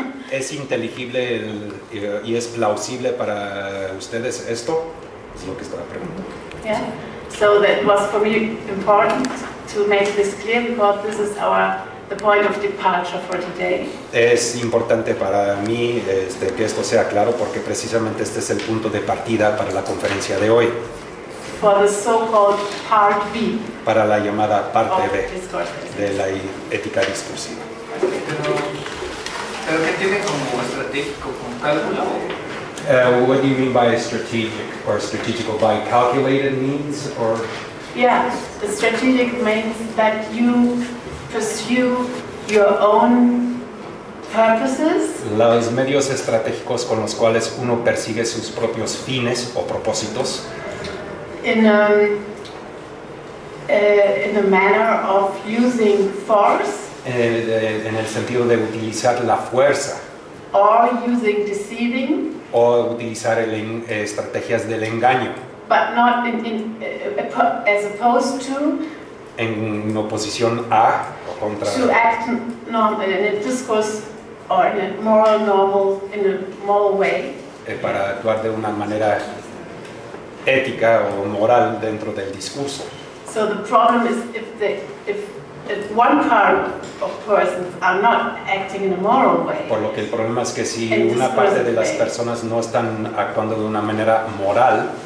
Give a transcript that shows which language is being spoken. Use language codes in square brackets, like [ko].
[es] es inteligible y es plausible para ustedes esto, es lo que estaba preguntando. [en] Yeah. So that was for me important to make this clear because this is our the point of departure for today. [es] Es importante para mí que esto sea claro porque precisamente este es el punto de partida para la conferencia de hoy. [en] For the so-called part B. [es] Para la llamada parte B de la ética discursiva. Pero ¿qué tiene como estratégico, como cálculo? [en] What do you mean by strategic or strategical? By calculated means or? Yeah, the strategic means that you pursue your own purposes. [es] Los medios estratégicos con los cuales uno persigue sus propios fines o propósitos. [en] In a manner of using force. [es] En el sentido de utilizar la fuerza. [en] Or using deceiving. [es] O utilizar estrategias del engaño. [en] But not in, as opposed to, [es] en oposición a o contra, [en] to act normal, in a discourse or in a moral normal, in a moral way. [es] Para actuar de una manera ética o moral dentro del discurso. [en] So the problem is if the if one part of persons are not acting in a moral way. [es] Por lo que el problema es que si una parte de las personas no están actuando de una manera moral,